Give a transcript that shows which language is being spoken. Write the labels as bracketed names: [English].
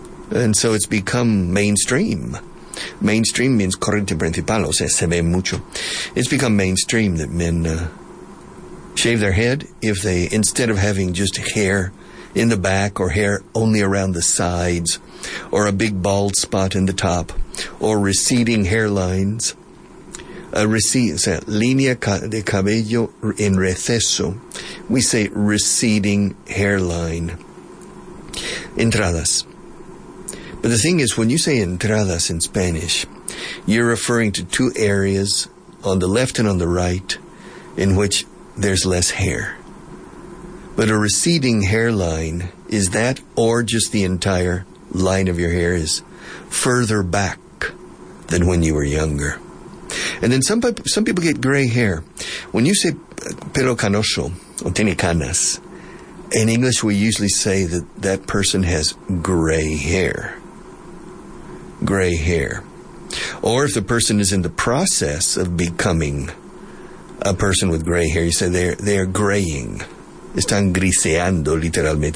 [English] And so it's become mainstream. Mainstream means [Spanish] corriente principal, o sea, se ve mucho. [English] It's become mainstream that men shave their head if they, instead of having just hair in the back or hair only around the sides or a big bald spot in the top or receding hairlines. [Spanish] Línea de cabello en receso. [English] We say receding hairline. Entradas. But the thing is, when you say entradas in Spanish, you're referring to two areas on the left and on the right in which there's less hair. But a receding hairline is that, or just the entire line of your hair is further back than when you were younger. And then some people get gray hair. When you say [Spanish] pelo canoso, o tiene canas, [English] in English we usually say that that person has gray hair. Gray hair. Or if the person is in the process of becoming a person with gray hair, you say they're graying. [Spanish] Están griseando, literalmente.